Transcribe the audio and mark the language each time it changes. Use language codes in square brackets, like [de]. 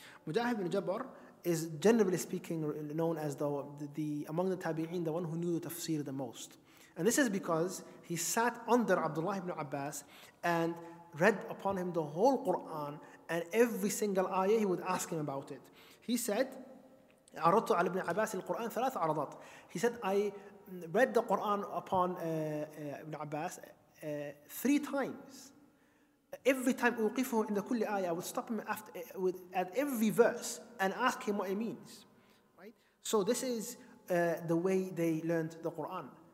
[en] Mujahid ibn Jabr is generally speaking known as the among the Tabi'in, the one who knew the tafsir the most. And this is because he sat under Abdullah ibn Abbas and read upon him the whole Quran, and every single ayah he would ask him about it. He said, [ar] عرضت على ابن عباس القرآن ثلاث عرضات. [en] He said, I read the Quran upon Ibn Abbas three times. Every time [ar] أوقفه عند كل آية, [en] I would stop him at every verse and ask him what it means. Right. So this is the way they learned the Quran.